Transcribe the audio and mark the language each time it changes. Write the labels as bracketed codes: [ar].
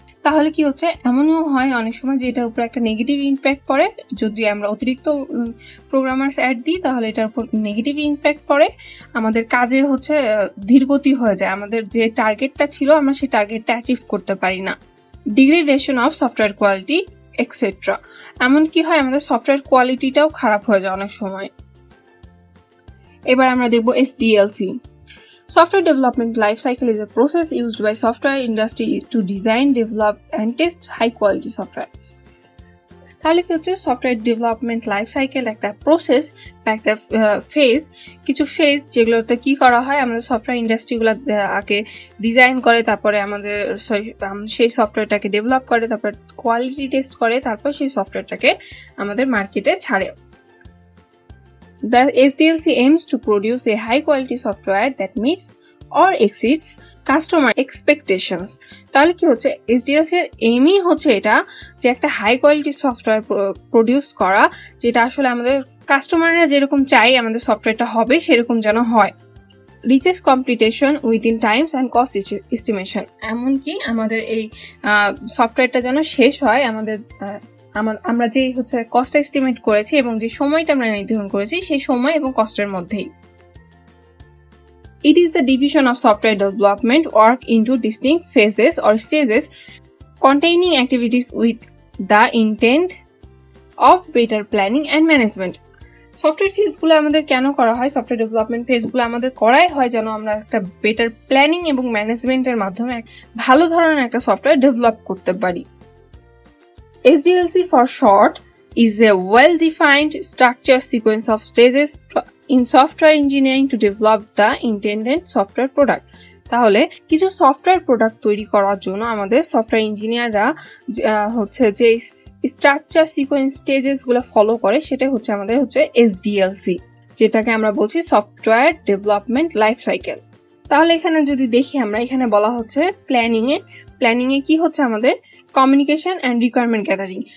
[bn] তাহলে কি হচ্ছে, এমনও হয় অনেক সময় যে এটার উপর একটা নেগেটিভ ইম্প্যাক্ট পড়ে, যদি আমরা অতিরিক্ত প্রোগ্রামার্স অ্যাড দিই তাহলে এটার উপর নেগেটিভ ইম্প্যাক্ট পড়ে, আমাদের কাজে হচ্ছে ধীরগতি হয়ে যায়, আমাদের যে টার্গেটটা ছিল আমরা সেই টার্গেটটা অ্যাচিভ করতে পারি না। [en] degradation of software quality etcetera, [bn] এমন কি হয় আমাদের সফটওয়্যার কোয়ালিটিটাও খারাপ হয়ে যায় অনেক সময়। এবার আমরা দেখব এসডিএলসি। [en] Software development lifecycle is a process used by software industry to design, develop and test high quality softwares. [bn] তাহলে কি হচ্ছে, সফটওয়্যার ডেভেলপমেন্ট লাইফ সাইকেল একটা প্রসেস বা একটা ফেজ, কিছু ফেজ যেগুলোতে কী করা হয়, আমাদের সফটওয়্যার ইন্ডাস্ট্রিগুলো আগে ডিজাইন করে, তারপরে আমাদের সেই সফটওয়্যারটাকে ডেভেলপ করে, তারপর কোয়ালিটি টেস্ট করে, তারপর সেই সফটওয়্যারটাকে আমাদের মার্কেটে ছাড়ে। [en] The SDLC aims to produce a high-quality software that meets or exceeds customer expectations. [bn] তাহলে কি হচ্ছে, SDLC এর এমই হচ্ছে এটা যে একটা high-quality software প্রোডিউস করা, যেটা আসলে আমাদের কাস্টমাররা যেরকম চাই আমাদের সফটওয়্যারটা হবে সেরকম যেন হয়। [en] reaches completion within times and cost estimation, [bn] এমনকি আমাদের এই সফটওয়্যারটা যেন শেষ হয় আমাদের আমরা যে হচ্ছে কস্ট এস্টিমেট করেছি এবং যে সময়টা আমরা নির্ধারণ করেছি সেই সময় এবং কস্টের মধ্যেই। [en] It is the division of software development work into distinct phases or stages containing activities with the intent of better planning and management. [bn] Software ফেজগুলো আমাদের কেন করা হয়, সফটওয়্যার ডেভেলপমেন্ট ফেজগুলো আমাদের করাই হয় যেন আমরা একটা বেটার প্ল্যানিং এবং ম্যানেজমেন্টের মাধ্যমে ভালো ধরনের একটা সফটওয়্যার ডেভেলপ করতে পারি। [en] SDLC for short is a well-defined structure sequence of stages in software engineering to develop the intended software product. [bn] তাহলে কিছু সফটওয়্যার প্রোডাক্ট তৈরি করার জন্য আমাদের সফটওয়্যার ইঞ্জিনিয়াররা হচ্ছে যে স্ট্রাকচার সিকোয়েন্স স্টেজেসগুলো ফলো করে সেটা হচ্ছে আমাদের হচ্ছে SDLC, যেটাকে আমরা বলছি সফটওয়্যার ডেভেলপমেন্ট লাইফ সাইকেল। তাহলে এখানে যদি দেখি আমরা এখানে বলা হচ্ছে প্ল্যানিং এ, প্ল্যানিং এ কি হচ্ছে আমাদের কমিউনিকেশন এন্ড রিকোয়ারমেন্ট গ্যাদারিং।